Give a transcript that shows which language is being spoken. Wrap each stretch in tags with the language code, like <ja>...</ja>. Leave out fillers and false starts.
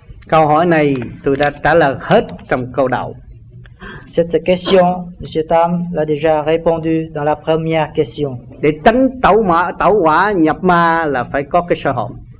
<vi>Câu hỏi này tôi đã trả lời hết trong câu đầu.</vi> <fr>Cette question, M. Tam l'a déjà répondu dans la première question.</fr> <vi>Để tránh tẩu ma, tẩu hỏa nhập ma là phải có cái sơ hồn.</vi>